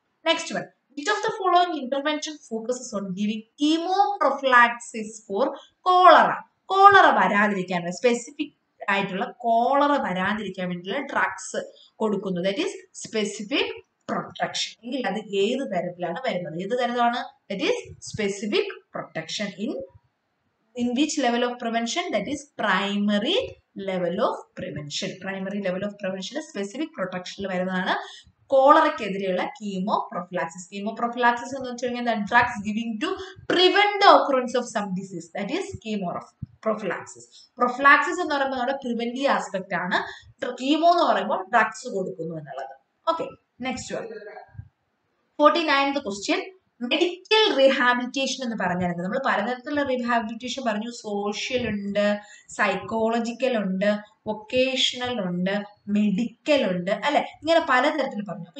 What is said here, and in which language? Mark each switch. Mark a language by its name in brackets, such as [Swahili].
[English] next one, which of the following intervention focuses on giving chemo prophylaxis for cholera, [Malayalam] cholera വരാതിരിക്കാൻ specific ആയിട്ടുള്ള cholera വരാതിരിക്കാൻ വേണ്ടിയിട്ടുള്ള drugs കൊടുക്കുന്നു, [English] That is specific protection. [Malayalam] എങ്കിൽ അത് ഏത് തരത്തിലാണ് [English] വരുന്നത്, ഏത് തരത്തിലാണ്, that is specific protection in In which level of prevention? That is primary level of prevention. Primary level of prevention is specific protection. Where is that? [Malayalam] കോളറക്കെതിരെയുള്ള കീമോപ്രൊഫിലാക്സിസ്. കീമോപ്രൊഫിലാക്സിസ് എന്ന് വെച്ചുകഴിഞ്ഞാൽ [English] Drugs giving to prevent the occurrence of some disease, that is chemoprophylaxis. [Malayalam] Prophylaxis എന്ന് പറയുമ്പോൾ നമ്മുടെ preventive aspect ആണ്, chemo എന്ന് പറയുമ്പോൾ drugs കൊടുക്കുന്നു എന്നുള്ളത്. Okay, next one, 49th question, medical rehabilitation എന്ന് പറഞ്ഞാൽ, നമ്മൾ പലതരത്തിലുള്ള റീഹാബിലിറ്റേഷൻ പറഞ്ഞു, സോഷ്യൽ ഉണ്ട്, സൈക്കോളജിക്കൽ ഉണ്ട്, വൊക്കേഷണൽ ഉണ്ട്, മെഡിക്കൽ ഉണ്ട് അല്ലെ, ഇങ്ങനെ പലതരത്തിൽ പറഞ്ഞു.